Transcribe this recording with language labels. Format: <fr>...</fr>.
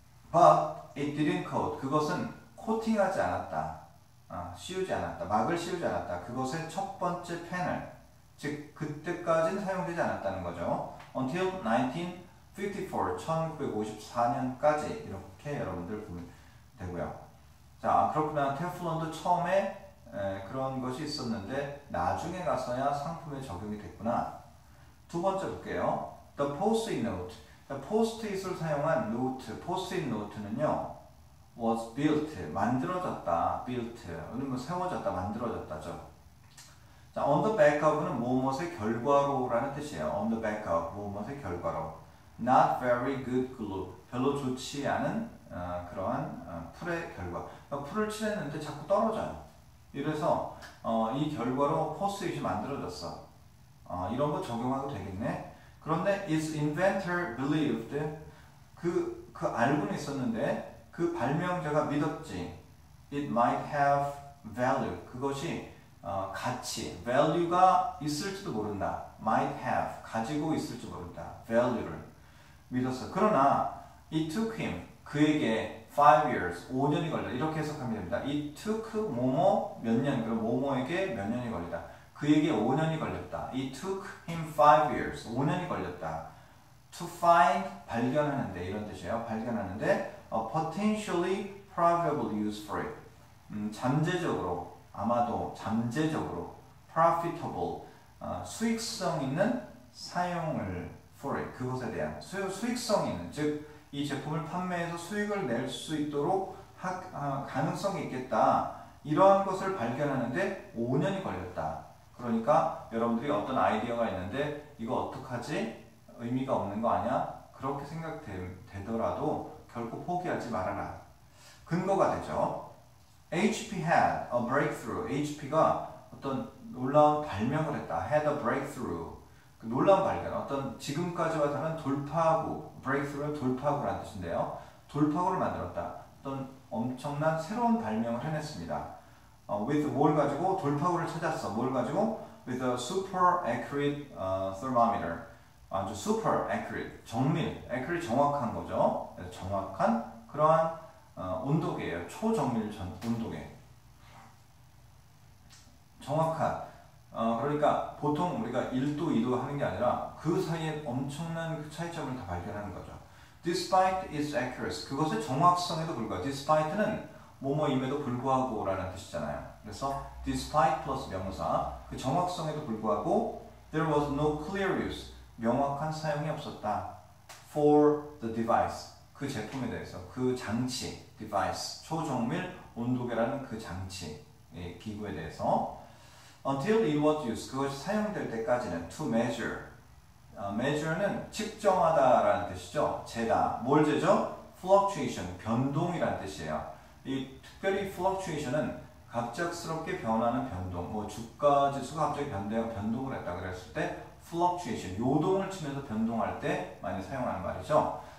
<en>But it didn't coat,</en> <ko>그것은 코팅하지 않았다. 씌우지 않았다. 막을 씌우지 않았다. 그것의 첫 번째 패널. 즉, 그때까지는 사용되지 않았다는 거죠.</ko> <en>Until 1954,</en> <ko>1954년까지. 이렇게 여러분들 보면 되고요. 자, 그렇구나. 테플론도 처음에 그런 것이 있었는데, 나중에 가서야 상품에 적용이 됐구나. 두 번째 볼게요.</ko> <en>The post-it note.</en> <ko>The post-it을 사용한 노트. Post-it note는요.</ko> <en>was built,</en> <ko>만들어졌다, built, 뭐 세워졌다, 만들어졌다죠. 자,</ko> <en>on the back of</en> <ko>는 무엇의 결과로라는 뜻이에요.</ko> <en>on the back of, 무엇의 결과로. not very good glue,</en> <ko>별로 좋지 않은 그러한 풀의 결과. 풀을 칠했는데 자꾸 떨어져요. 이래서 이 결과로 포스잇이 만들어졌어. 이런 거 적용하고 되겠네. 그런데</ko> <en>its inventor believed,</en> <ko>그 알고는 있었는데 그 발명자가 믿었지.</ko> <en>It might have value.</en> <ko>그것이 가치, value가 있을지도 모른다.</ko> <en>Might have,</en> <ko>가지고 있을지 모른다. value를 믿었어. 그러나</ko> <en>it took him,</en> <ko>그에게 5 years, 5년이 걸려. 이렇게 해석하면 됩니다.</ko> <en>It took</en> <ko>뭐뭐 몇 년, 그럼 뭐뭐에게 몇 년이 걸리다. 그에게 5년이 걸렸다.</ko> <en>It took him 5 years,</en> <ko>5년이 걸렸다. To find, 발견하는데, 이런 뜻이에요. 발견하는데</ko> <en>potentially probable use for it.</en> <ko>잠재적으로, 아마도 잠재적으로 profitable, 수익성 있는 사용을</ko> <en>for it.</en> <ko>그것에 대한 수익성 있는, 즉이 제품을 판매해서 수익을 낼수 있도록 가능성이 있겠다. 이러한 것을 발견하는데 5년이 걸렸다. 그러니까 여러분들이 어떤 아이디어가 있는데 이거 어떡하지? 의미가 없는 거 아니야? 그렇게 생각되더라도 결코 포기하지 말아라. 근거가 되죠.</ko> <en>HP had a breakthrough.</en> <ko>HP가 어떤 놀라운 발명을 했다.</ko> <en>Had a breakthrough.</en> <ko>그 놀라운 발견. 어떤 지금까지와 다른 돌파구. Breakthrough는 돌파구라는 뜻인데요. 돌파구를 만들었다. 어떤 엄청난 새로운 발명을 해냈습니다. With 뭘 가지고? 돌파구를 찾았어. 뭘 가지고?</ko> <en>With a super accurate thermometer.</en> <ko>아주</ko> <en>super accurate.</en> <ko>정밀. accurate 정확한 거죠. 정확한 그러한 온도계예요. 초정밀 온도계. 정확한. 그러니까 보통 우리가 1도, 2도 하는 게 아니라 그 사이에 엄청난 그 차이점을 다 발견하는 거죠.</ko> <en>Despite its accuracy.</en> <ko>그것의 정확성에도 불구하고. Despite는 뭐뭐임에도 불구하고라는 뜻이잖아요. 그래서 despite plus 명사. 그 정확성에도 불구하고</ko> <en>there was no clear use.</en> <ko>명확한 사용이 없었다.</ko> <en>For the device.</en> <ko>그 제품에 대해서. 그 장치. device. 초정밀 온도계라는 그 장치. 예, 기구에 대해서.</ko> <en>Until it was used,</en> <ko>그것이 사용될 때까지는</ko> <en>to measure.</en> <ko>Measure는 측정하다라는 뜻이죠. 재다. 뭘 재죠? Fluctuation, 변동이란 뜻이에요. 이 특별히 fluctuation은 갑작스럽게 변하는 변동. 뭐 주가 지수가 갑자기 변동을 했다 그랬을 때 fluctuation, 요동을 치면서 변동할 때 많이 사용하는 말이죠.</ko>